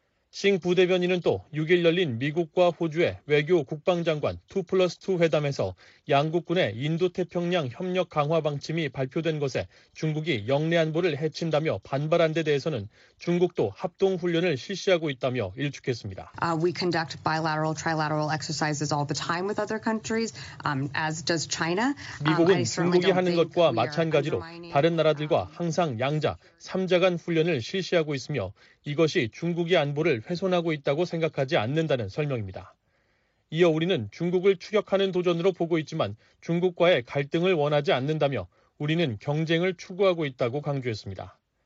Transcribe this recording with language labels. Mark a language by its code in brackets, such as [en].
[ko] 싱 부대변인은 또 6일 열린 미국과 호주의 외교 국방장관 2+2 회담에서 양국군의 인도태평양 협력 강화 방침이 발표된 것에 중국이 영내 안보를 해친다며 반발한 데 대해서는 중국도 합동훈련을 실시하고 있다며 일축했습니다. [en] We conduct bilateral, trilateral exercises all the time with other countries, as does China. [ko] 미국은 중국이 하는 것과 마찬가지로 다른 나라들과 항상 양자, 삼자 간 훈련을 실시하고 있으며 이것이 중국의 안보를 훼손하고 있다고 생각하지 않는다는 설명입니다. 이어 우리는 중국을 추격하는 도전으로 보고 있지만 중국과의 갈등을 원하지 않는다며 우리는 경쟁을 추구하고 있다고 강조했습니다.